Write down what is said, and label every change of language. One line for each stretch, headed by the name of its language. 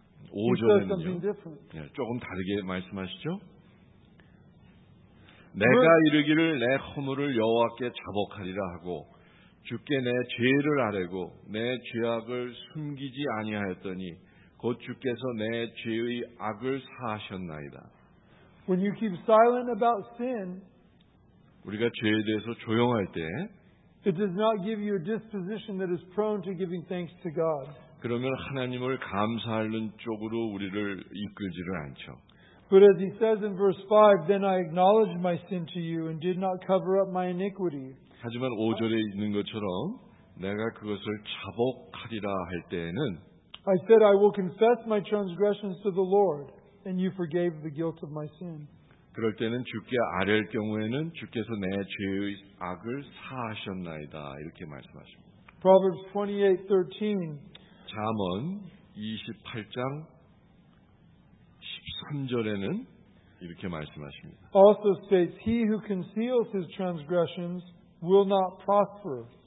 Korean: 5절에는요, 예, 조금 다르게 말씀하시죠. 내가 이르기를 내 허물을 여호와께 자복하리라 하고 주께 내 죄를 아뢰고 내 죄악을 숨기지 아니하였더니 곧 주께서 내 죄의 악을 사하셨나이다.
English: When you keep silent about sin,
Korean: 우리가 죄에 대해서 조용할 때,
English: it does not give you a disposition that is prone to giving thanks to God.
Korean: 그러면 하나님을 감사하는 쪽으로 우리를 이끌지를 않죠.
English: But as he says in verse 5, then I acknowledged my sin to you and did not cover up my iniquity.
Korean: 하지만 5절에 있는 것처럼 내가 그것을 자복하리라 할 때에는
English: I said I will confess my transgressions to the Lord and you forgave the guilt of my sin.
Korean: 그럴 때는 주께 아뢰 경우에는 주께서 내 죄의 악을 사하셨나이다 이렇게 말씀하십니다.
English: Proverbs 28:13
Korean: 잠언 28장 3절에는 이렇게 말씀하십니다.
English: Also states he who conceals his transgressions will not prosper.